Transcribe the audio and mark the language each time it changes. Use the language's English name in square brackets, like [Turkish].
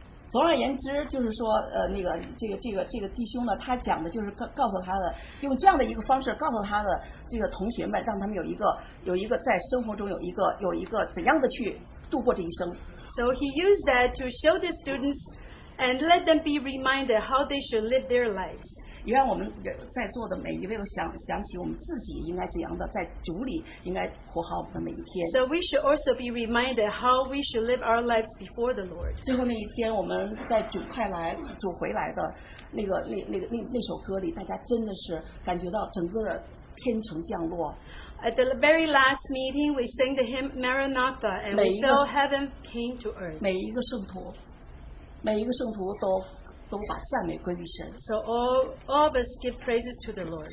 [Chinese] 总而言之，就是说，这个弟兄呢，他讲的就是告诉他的，用这样的一个方式告诉他的这个同学们，让他们有一个在生活中有一个怎样的去度过这一生。 [English] So he used that to show the students and let them be reminded how they should live their lives. [Chinese] 也让我们在座的每一位都想起我们自己应该怎样的在主里应该活好我们的每一天。 [English] So we should also be reminded how we should live our lives before the Lord. [Chinese] 最后那一天，我们在主快来、主回来的那首歌里，大家真的是感觉到整个的天成降落。 [English] At the very last meeting, we sang the hymn Maranatha, and we saw heaven came to earth. [Chinese] 每一个圣徒都把赞美归于神。 [English] So all of us give praises to the Lord.